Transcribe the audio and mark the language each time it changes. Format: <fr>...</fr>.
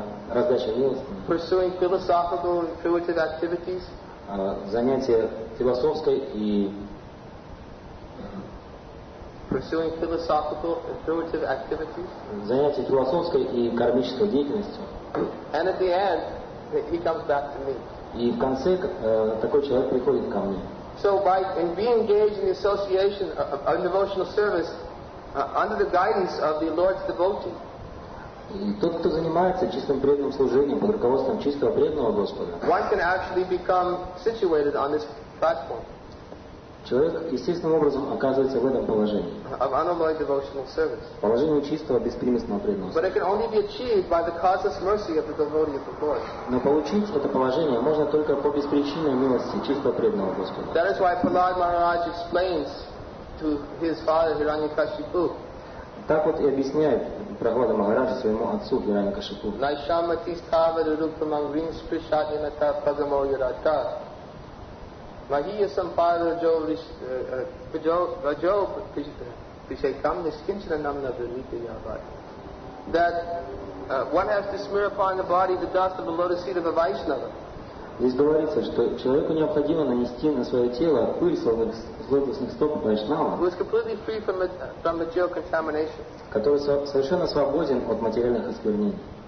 <ru>раздача милостыни,</ru> <en>pursuing philosophical and intuitive activities,</en> <ru>занятия философской и</ru> <en>pursuing philosophical intuitive activities,</en> <ru>занятия философской и кармической деятельностью,</ru> <en>and at the end he comes back to me.</en> <ru>И в конце такой человек приходит ко мне.</ru> <en>So by in being engaged in the association of devotional service under the guidance of the Lord's devotee.</en> <ru>И тот, кто занимается чистым преданным служением под руководством чистого преданного Господа.</ru> <en>One can actually become situated on this platform.</en> <ru>Человек естественным образом оказывается в этом положении.</ru> <en>Of unalloyed devotional service.</en> <ru>Положение чистого беспримесного преданного.</ru> <en>But it can only be achieved by the causeless mercy of the devotee of the Lord.</en> <ru>Но получить это положение можно только по беспричинной милости чистого преданного Господа.</ru> <en>That is why Prahlad Maharaj explains to his father Hiranyakashipu.</en> <ru>Так вот и объясняет Прохлада Махараджа своему отцу Хираньякашипу.</ru> <sa>Найшама тиставе рупа мангрин спришати ната пагамо юрата. Махия сампада раджо пришайкам нискинчана намна вирвите ябад.</sa> <en>That one has to smear upon the body the dust of the lotus feet of a Vaishnava.</en> <ru>Здесь говорится, что человеку необходимо нанести на свое тело пыль с лотосных стоп Вайшнава, который совершенно свободен от материальных осквернений.</ru>